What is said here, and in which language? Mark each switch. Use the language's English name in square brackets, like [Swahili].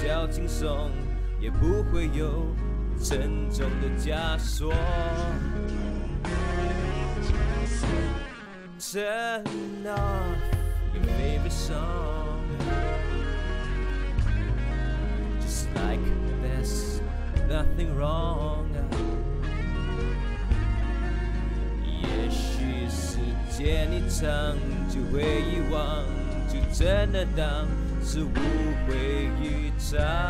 [Chinese] 轻松也不会有沉重的枷锁。 [English] Turn off your favorite song, just like there's nothing wrong. [Chinese] 也许时间一长就会遗忘，就真的当是误会一场。